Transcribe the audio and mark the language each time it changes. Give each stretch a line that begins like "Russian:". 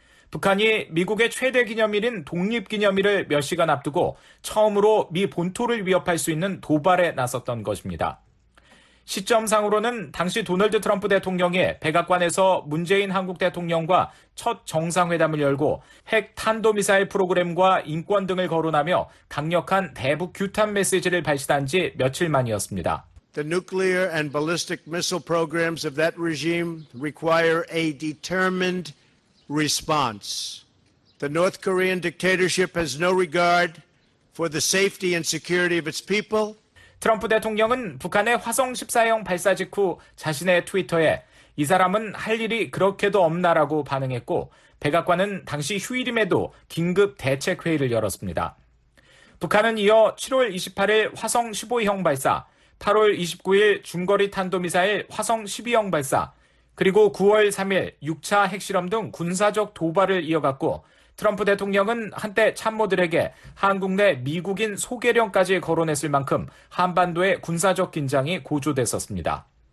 Korean: 북한이 미국의 최대 기념일인 독립기념일을 몇 시간 앞두고 처음으로 미 본토를 위협할 수 있는 도발에 나섰던 것입니다. 시점상으로는 당시 도널드 트럼프 대통령이 백악관에서 문재인 한국 대통령과 첫 정상회담을 열고 핵 탄도미사일 프로그램과 인권 등을 거론하며 강력한 대북 규탄 메시지를 발신한 지 며칠 만이었습니다.
English: The nuclear and ballistic missile programs of that regime require a determined response. The North Korean dictatorship has no regard for the safety and security of its people.
Korean: 트럼프 대통령은 북한의 화성 14형 발사 직후 자신의 트위터에 이 사람은 할 일이 그렇게도 없나라고 반응했고 백악관은 당시 휴일임에도 긴급 대책 회의를 열었습니다. 북한은 이어 7월 28일 화성 15형 발사, 8월 29일 중거리 탄도미사일 화성 12형 발사, 그리고 9월 3일 6차 핵실험 등 군사적 도발을 이어갔고 트럼프 대통령은 한때 참모들에게 한국 내 미국인 소개령까지 거론했을 만큼 한반도의 군사적 긴장이 고조됐었습니다.